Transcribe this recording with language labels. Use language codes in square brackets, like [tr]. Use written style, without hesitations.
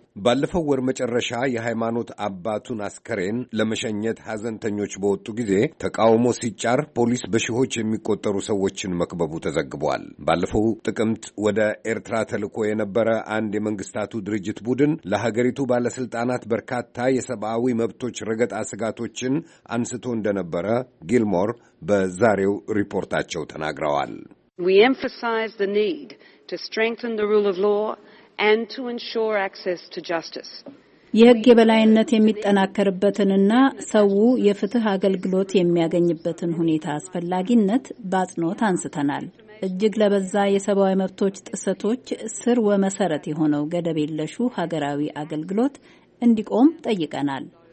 [am] ባለፈው ወር መጨረሻ የሃይማኖት አባቱን አስከሬን ለመሸኘት ሀዘንተኞች በወጡ ጊዜ ተቃውሞ ሲጫር ፖሊስ በሺዎች የሚቆጠሩ ሰዎችን መክበቡ ተዘግቧል። ባለፈው ጥቅምት ወደ ኤርትራ ተልኮ የነበረ አንድ የመንግስታቱ ድርጅት ቡድን ለሀገሪቱ ባለስልጣናት በርካታ የሰብአዊ መብቶች ረገጣ ስጋቶችን አንስቶ እንደነበረ ጊልሞር በዛሬው ሪፖርታቸው ተናግረዋል። [en] We emphasize the need to strengthen the rule of law and to ensure access to justice. [am] የህግ የበላይነት የሚጠናከርበትንና ሰው የፍትህ አገልግሎት የሚያገኝበትን ሁኔታ አስፈላጊነት በአጽንኦት አንስተናል። እጅግ ለበዛ የሰብአዊ መብቶች ጥሰቶች ስር ወመሰረት የሆነው ገደብ የለሹ ሀገራዊ አገልግሎት እንዲቆም ጠይቀናል።